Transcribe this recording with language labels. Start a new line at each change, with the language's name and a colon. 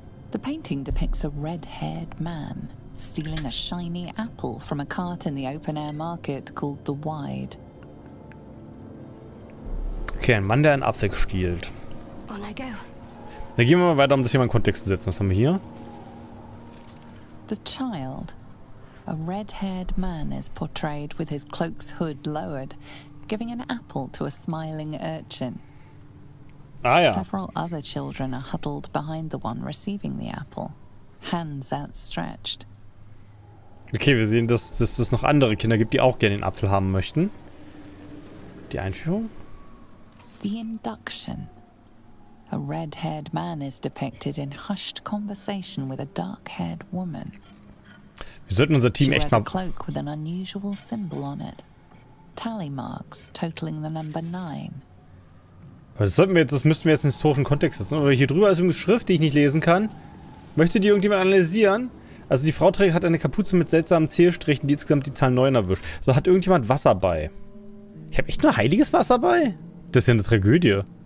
English: The painting depicts a red-haired man stealing a shiny apple from a cart in the open-air market called The Wide.
German: Okay, ein Mann, der einen Apfel stiehlt.
English: On I go.
German: Dann gehen wir mal weiter, um das hier mal in Kontext zu setzen. Was haben wir hier?
English: The child. A red-haired man is portrayed with his cloak's hood lowered, giving an apple to a smiling urchin.
German: Ah ja.
English: Several other children are huddled behind the one receiving the apple, hands outstretched.
German: Okay, wir sehen, dass es noch andere Kinder gibt, die auch gerne den Apfel haben möchten. Die Einführung?
English: The induction. A red-haired man is depicted in hushed conversation with a dark-haired woman.
German: Wir sollten unser Team echt mal...
English: She wears a cloak with an unusual symbol on it. Tally marks totaling the number 9.
German: Das müssten wir jetzt in den historischen Kontext setzen. Aber hier drüber ist eine Schrift, die ich nicht lesen kann. Möchte die irgendjemand analysieren? Also die Frau trägt hat eine Kapuze mit seltsamen Zählstrichen, die insgesamt die Zahl 9 erwischt. So, hat irgendjemand Wasser bei? Ich habe echt nur heiliges Wasser bei? Das ist ja eine Tragödie.